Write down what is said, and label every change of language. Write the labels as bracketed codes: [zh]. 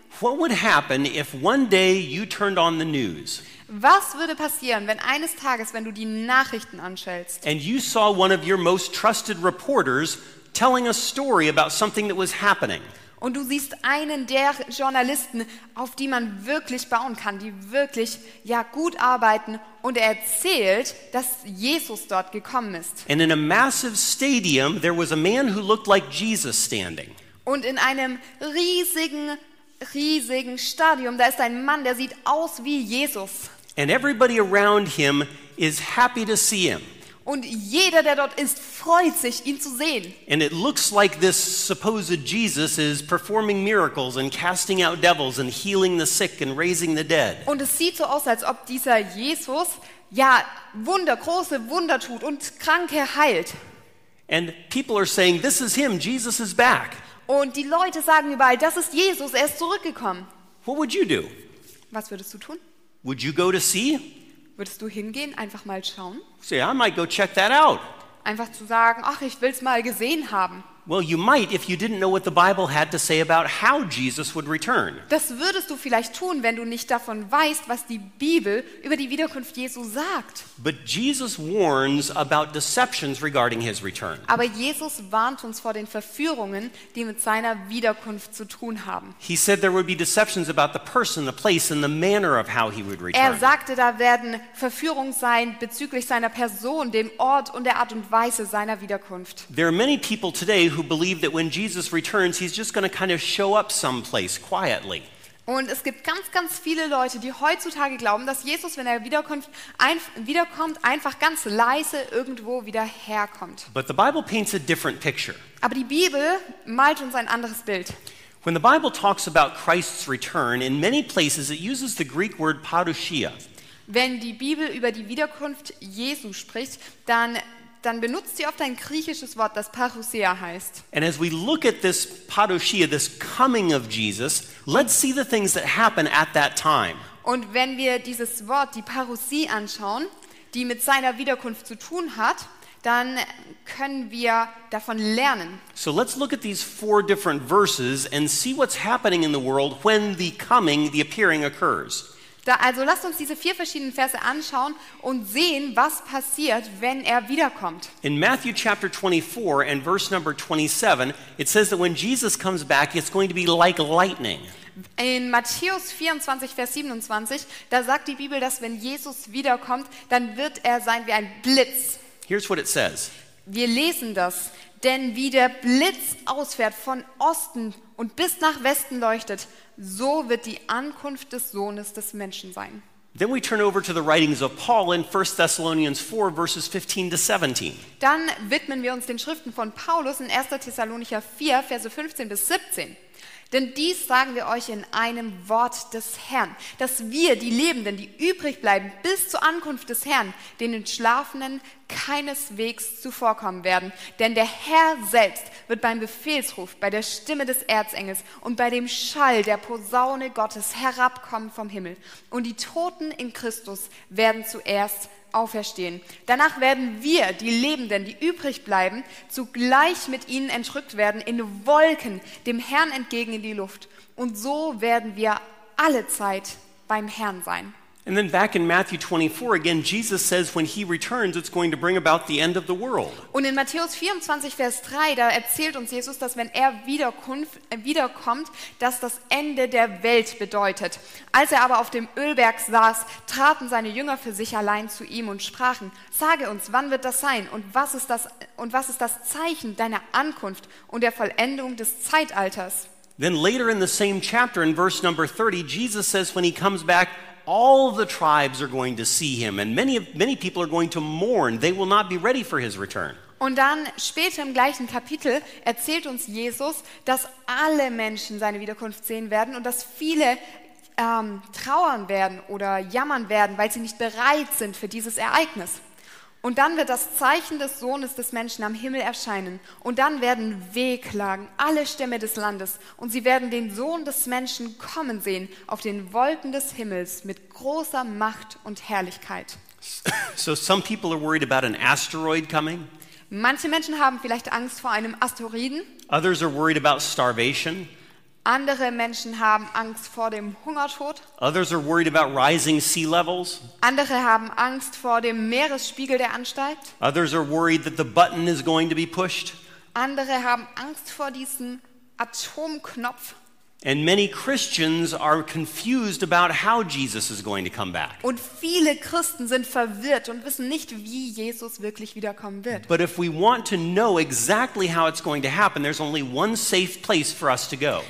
[en] What would happen if one day you turned on the news? [de] Was würde passieren, wenn eines Tages, wenn du die Nachrichten anschaltest, [en] and you saw one of your most trusted reporters telling a story about something that was happening? [de] Und du siehst einen der Journalisten, auf die man wirklich bauen kann, die wirklich ja gut arbeiten, und er erzählt, dass Jesus dort gekommen ist. [en] And in a massive stadium there was a man who looked like Jesus standing. [de] Und in einem riesigen Stadion, da ist ein Mann, der sieht aus wie Jesus. [en] And everybody around him is happy to see him. [de] Und jeder, der dort ist, freut sich, ihn zu sehen. [en] And it looks like this supposed Jesus is performing miracles and casting out devils and healing the sick and raising the dead. [de] Und es sieht so aus, als ob dieser Jesus ja Wunder, große Wunder tut und Kranke heilt. [en] And people are saying, "This is him. Jesus is back." [de] Und die Leute sagen überall, das ist Jesus, er ist zurückgekommen. [en] What would you do? [de] Was würdest du tun? [en] Would you go to see? [de] Würdest du hingehen, einfach mal schauen? [en] So, yeah, I might go check that out. [de] Einfach zu sagen, ach, ich will's mal gesehen haben. [en] Well, you might if you didn't know what the Bible had to say about how Jesus would return. [de] Das würdest du vielleicht tun, wenn du nicht davon weißt, was die Bibel über die Wiederkunft Jesu sagt. [en] But Jesus warns about deceptions regarding his return. [de] Aber Jesus warnt uns vor den Verführungen, die mit seiner Wiederkunft zu tun haben. [en] He said there would be deceptions about the person, the place and the manner of how he would return. [de] Er sagte, da werden Verführungen sein bezüglich seiner Person, dem Ort und der Art und Weise seiner Wiederkunft. [en] There are many people today who believe that when Jesus returns, he's just going to kind of show up someplace quietly. [de] Und es gibt ganz, ganz viele Leute, die heutzutage glauben, dass Jesus, wenn er wiederkommt, einfach ganz leise irgendwo wieder herkommt. [en] But the Bible paints a different picture. [de] Aber die Bibel malt uns ein anderes Bild. [en] When the Bible talks about Christ's return, in many places it uses the Greek word parousia. [de] Wenn die Bibel über die Wiederkunft Jesu spricht, dann benutzt sie oft ein griechisches Wort, das parousia heißt. [en] And as we look at this parousia, this coming of Jesus, let's see the things that happen at that time. [de] Und wenn wir dieses Wort, die Parousie, anschauen, die mit seiner Wiederkunft zu tun hat, dann können wir davon lernen. [en] So let's look at these four different verses and see what's happening in the world when the coming, the appearing occurs. [de] Also lasst uns diese vier verschiedenen Verse anschauen und sehen, was passiert, wenn er wiederkommt. [en] In Matthew chapter 24 and verse number 27, it says that when Jesus comes back, it's going to be like lightning. [de] In Matthäus 24, Vers 27, da sagt die Bibel, dass wenn Jesus wiederkommt, dann wird er sein wie ein Blitz. [en] Here's what it says. [de] Wir lesen das. Denn wie der Blitz ausfährt von Osten und bis nach Westen leuchtet, so wird die Ankunft des Sohnes des Menschen sein. [en] Then we turn over to the writings of Paul in 1 Thessalonians 4, verses 15 to 17. [de] Dann widmen wir uns den Schriften von Paulus in 1. Thessalonicher 4, Verse 15 bis 17. Denn dies sagen wir euch in einem Wort des Herrn, dass wir, die Lebenden, die übrig bleiben bis zur Ankunft des Herrn, den Entschlafenen keineswegs zuvorkommen werden. Denn der Herr selbst wird beim Befehlsruf, bei der Stimme des Erzengels und bei dem Schall der Posaune Gottes herabkommen vom Himmel. Und die Toten in Christus werden zuerst auferstehen. Danach werden wir, die Lebenden, die übrig bleiben, zugleich mit ihnen entrückt werden, in Wolken dem Herrn entgegen in die Luft. Und so werden wir alle Zeit beim Herrn sein. [en] And then back in Matthew 24 again, Jesus says when he returns, it's going to bring about the end of the world. [de] Und in Matthäus 24, Vers 3, da erzählt uns Jesus, dass wenn er wiederkommt, dass das Ende der Welt bedeutet. Als er aber auf dem Ölberg saß, traten seine Jünger für sich allein zu ihm und sprachen, sage uns, wann wird das sein und was ist das Zeichen deiner Ankunft und der Vollendung des Zeitalters? [en] Then later in the same chapter, in verse number 30, Jesus says when he comes back, all the tribes are going to see him and many people are going to mourn. They will not be ready for his return. [de] Und dann später im gleichen Kapitel erzählt uns Jesus, dass alle Menschen seine Wiederkunft sehen werden und dass viele trauern werden oder jammern werden, weil sie nicht bereit sind für dieses Ereignis. Und dann wird das Zeichen des Sohnes des Menschen am Himmel erscheinen. Und dann werden wehklagen alle Stämme des Landes. Und sie werden den Sohn des Menschen kommen sehen auf den Wolken des Himmels mit großer Macht und Herrlichkeit. [en] So some people are worried about an asteroid coming. [de] Manche Menschen haben vielleicht Angst vor einem Asteroiden. [en] Others are worried about starvation. [de] Andere Menschen haben Angst vor dem Hungertod. [en] Others are worried about rising sea levels. [de] Andere haben Angst vor dem Meeresspiegel, der ansteigt. [en] Others are worried that the button is going to be pushed. [de] Andere haben Angst vor diesem Atomknopf. [en] And many Christians are confused about how Jesus is going to come back. [de] Und viele Christen sind verwirrt und wissen nicht, wie Jesus wirklich wiederkommen wird. [en] But if we want to know exactly how it's going to happen, there's only one safe place for us to go.